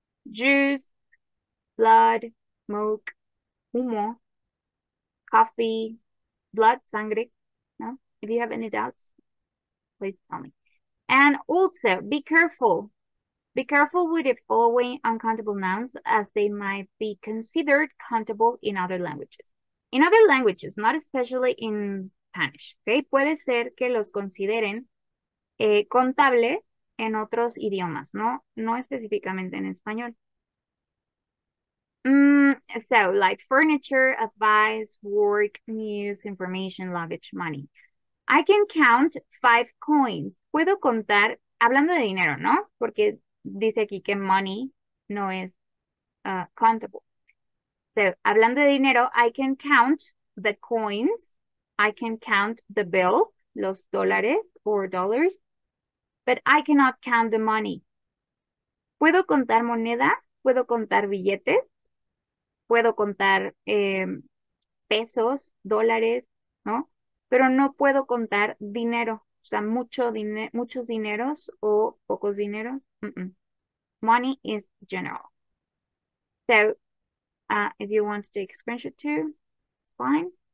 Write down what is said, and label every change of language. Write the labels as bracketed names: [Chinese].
[English] Juice, blood, smoke, humo, coffee, blood, sangre, ¿no? If you have any doubts, please tell me. And also, be careful. Be careful with the following uncountable nouns as they might be considered countable in other languages. In other languages, not especially in Spanish, okay? [Spanish] Puede ser que los consideren contable en otros idiomas, ¿no? No específicamente en español. [English] So, like furniture, advice, work, news, information, luggage, money. I can count five coins. [Spanish] Puedo contar, hablando de dinero, ¿no? Porque dice aquí que money no es countable. [English] So, [Spanish] hablando de dinero, [English] I can count the coins. I can count the bill, [Spanish] los dólares [English] or dollars. But I cannot count the money. [Spanish] Puedo contar moneda, puedo contar billetes, puedo contar pesos, dólares, ¿no? Pero no puedo contar dinero, o sea, mucho dinero, muchos dineros o pocos dineros. [English] Money is general. So, if you want to take a screenshot too, fine.